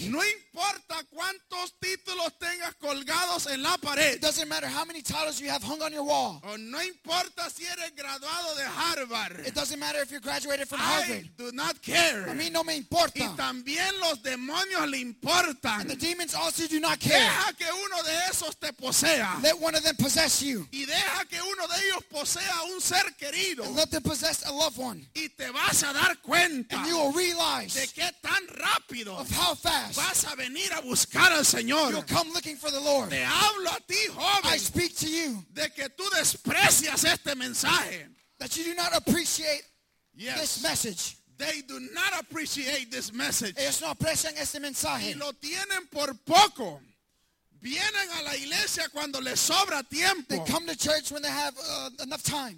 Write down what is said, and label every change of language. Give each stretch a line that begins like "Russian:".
Spanish: No importa cuántos títulos tengas colgados en la pared.
English: It doesn't matter how many titles you have hung on your wall.
Spanish: O no importa si eres graduado de Harvard.
English: It doesn't matter if you graduated from Harvard. I do not care.
Spanish: A mí no me importa. Y también los demonios le importan.
English: And the demons also do not care.
Spanish: Deja que uno de esos te posea.
English: Let one of them possess you.
Spanish: Y deja que uno de ellos posea un ser querido.
English: And let them possess a loved one.
Spanish: Y te vas a dar cuenta.
English: And you will realize.
Spanish: De qué tan rápido.
English: Of how fast.
Spanish: Vas a venir a buscar al Señor.
English: You'll come looking for the Lord.
Spanish: Te hablo a ti, joven.
English: I speak to you.
Spanish: De que tú desprecias este mensaje.
English: That you do not appreciate yes. this message. They do not appreciate this message.
Spanish: Ellos no aprecian este mensaje. Y lo tienen por poco. Vienen a la iglesia cuando les sobra tiempo.
English: They come to church when they have enough time.